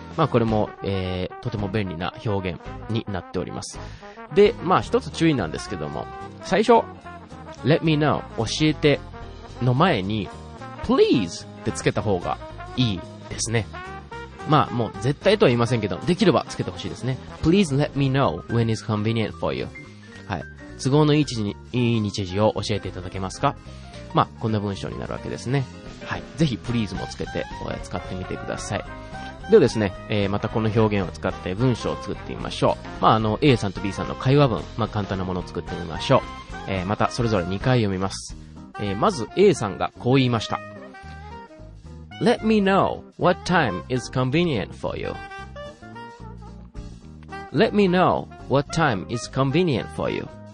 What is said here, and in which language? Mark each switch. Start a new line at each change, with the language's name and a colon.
Japanese: まあこれも、とても便利な表現になっております。で、まあ一つ注意なんですけども、最初
English: Let me know
Japanese: 教えての前に
English: Please
Japanese: ってつけた方がいいですね。まあもう絶対とは言いませんけど、できればつけてほしいですね。
English: Please let me know when is convenient for you。
Japanese: はい、都合のいい時に、いい日時を教えていただけますか。まあこんな文章になるわけですね。はい、ぜひ please もつけて使ってみてください。ではですね、またこの表現を使って文章を作ってみましょう。まあ、あの A さんと B さんの会話文、まあ、簡単なものを作ってみましょう。またそれぞれ2回読みます。まず A さんがこう言いました。
English: Let me know what time is convenient for you。 Let me know what time is convenient for you。